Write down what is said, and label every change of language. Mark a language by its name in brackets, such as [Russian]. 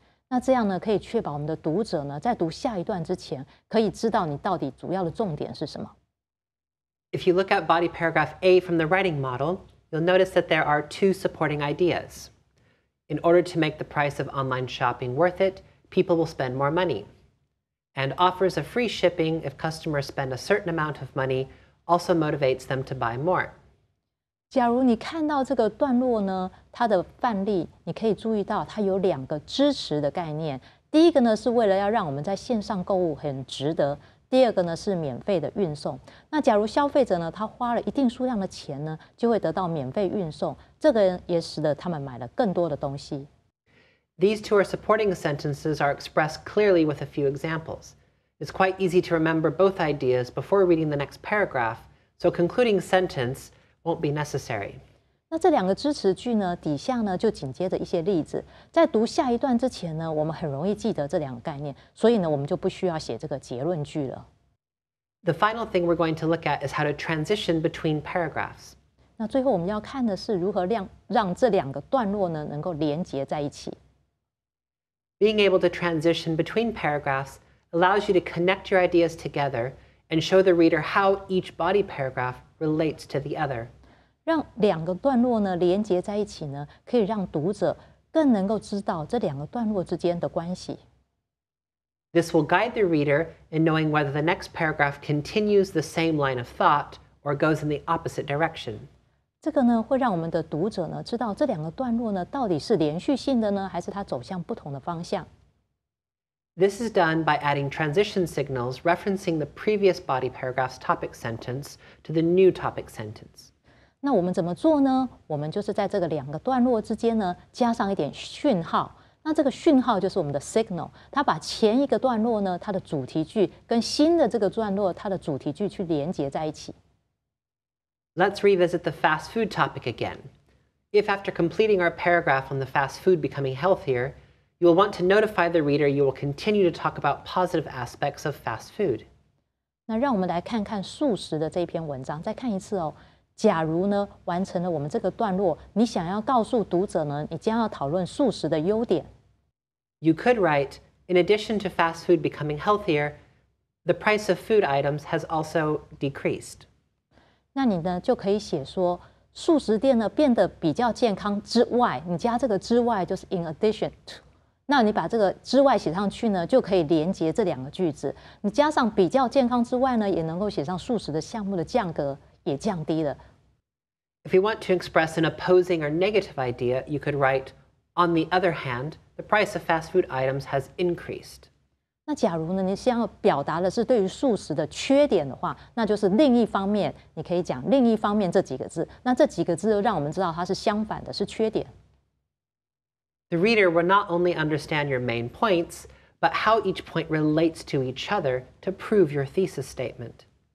[Chinese] 那这样呢，可以确保我们的读者呢，在读下一段之前，可以知道你到底主要的重点是什么。 [English] If you look at body paragraph A from the writing model, you'll notice that there are two supporting ideas. In order to make the price of online shopping worth it, people will spend more money. And offers of free shipping if customers spend a certain amount of money also motivates them to buy more. [Chinese] 假如你看到这个段落呢，它的范例，你可以注意到它有两个支持的概念。第一个呢，是为了要让我们在线上购物很值得。第二个呢是免费的运送。那假如消费者呢，他花了一定数量的钱呢，就会得到免费运送。这个也使得他们买了更多的东西。 [English] These two are supporting sentences are expressed clearly with a few examples. It's quite easy to remember both ideas before reading the next paragraph, so concluding sentence won't be necessary. [Chinese] 那这两个支持句呢，底下呢就紧接着一些例子。在读下一段之前呢，我们很容易记得这两个概念，所以呢，我们就不需要写这个结论句了。 [English] The final thing we're going to look at is how to transition between paragraphs. [Chinese] 那最后我们要看的是如何让这两个段落呢能够连接在一起。 [English] Being able to transition between paragraphs allows you to connect your ideas together and show the reader how each body paragraph relates to the other. [Chinese] 让两个段落呢连接在一起呢，可以让读者更能够知道这两个段落之间的关系。 [English] This will guide the reader in knowing whether the next paragraph continues the same line of thought or goes in the opposite direction. [Chinese] 这个呢，会让我们的读者呢，知道这两个段落呢，到底是连续性的呢，还是它走向不同的方向。 [English] This is done by adding transition signals referencing the previous body paragraph's topic sentence to the new topic sentence. [Chinese] 那我们怎么做呢？我们就是在这个两个段落之间呢，加上一点讯号。那这个讯号就是我们的 signal， 它把前一个段落呢，它的主题句跟新的这个段落它的主题句去连接在一起。 [English] Let's revisit the fast food topic again. If after completing our paragraph on the fast food becoming healthier, you will want to notify the reader you will continue to talk about positive aspects of fast food. [Chinese] 那让我们来看看素食的这篇文章，再看一次哦。假如呢，完成了我们这个段落，你想要告诉读者呢，你将要讨论素食的优点。 [English] You could write, in addition to fast food becoming healthier, the price of food items has also decreased. [Chinese] 那你呢，就可以写说，素食店呢变得比较健康之外，你加这个之外就是 [English] in addition to。 [Chinese] 那你把这个之外写上去呢，就可以连接这两个句子。你加上比较健康之外呢，也能够写上素食的项目的价格。也降低了。 [English] If you want to express an opposing or negative idea, you could write, on the other hand, the price of fast food items has increased. [Chinese] 那假如呢，你想要表达的是对于素食的缺点的话，那就是另一方面，你可以讲另一方面这几个字。那这几个字又让我们知道它是相反的，是缺点。 [English] The reader will not only understand your main points, but how each point relates to each other to prove your thesis statement.